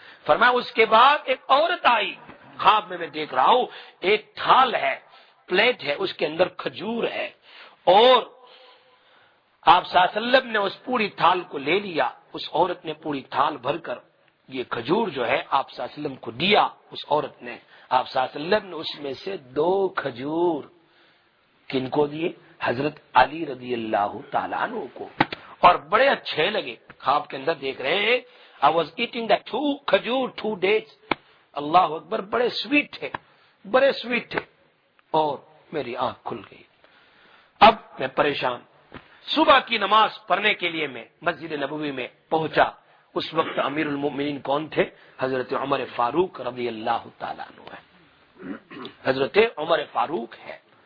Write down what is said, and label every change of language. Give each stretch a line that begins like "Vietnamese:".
Urdu: فرمایا اس کے بعد ایک عورت آئی، خواب میں میں دیکھ رہا ہوں ایک تھال ہے، پلیٹ ہے، اس کے اندر کھجور ہے، اور آپ صلی اللہ علیہ وسلم نے اس پوری تھال کو لے لیا، اس عورت نے پوری تھال بھر کر یہ کھجور جو ہے آپ صلی اللہ علیہ وسلم کو دیا، اس عورت نے، آپ صلی اللہ علیہ وسلم نے اس میں سے دو کھجور کن کو دیے؟ حضرت علی رضی اللہ تعالیٰ عنہ کو، اور بڑے اچھے لگے. خواب کے اندر دیکھ رہے ہیں
English: I was eating that two khajur, two dates.
Urdu: اللہ اکبر، بڑے سویٹ تھے، بڑے سویٹ تھے، اور میری آنکھ کھل گئی. اب میں پریشان، صبح کی نماز پڑھنے کے لیے میں مسجد نبوی میں پہنچا، اس وقت امیر المومنین کون تھے؟ حضرت عمر فاروق رضی اللہ تعالیٰ عنہ ہے، حضرت عمر فاروق ہے.